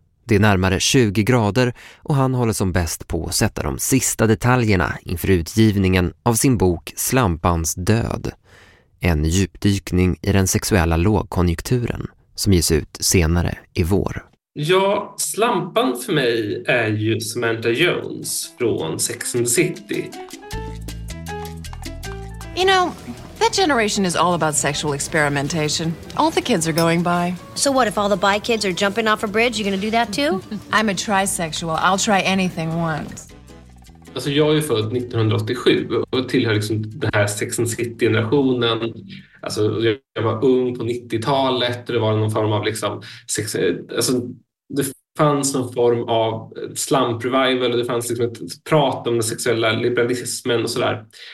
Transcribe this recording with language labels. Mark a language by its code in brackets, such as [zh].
[sv] Det är närmare 20 grader och han håller som bäst på att sätta de sista detaljerna inför utgivningen av sin bok Slampans död. En djupdykning i den sexuella lågkonjunkturen som ges ut senare i vår. Ja, Slampan för mig är ju Samantha Jones från Sex and the City. [en] You know, that generation is all about sexual experimentation. All the kids are going bi. So what, if all the bi kids are jumping off a bridge, you gonna do that too? I'm a trisexual. I'll try anything once. [sv] Alltså jag är född 1987 och tillhör liksom den här Sex and City-generationen. Alltså jag var ung på 90-talet och det var någon form av liksom sex... Alltså det fanns någon form av slump revival och det fanns liksom ett prat om den sexuella liberalismen och sådär.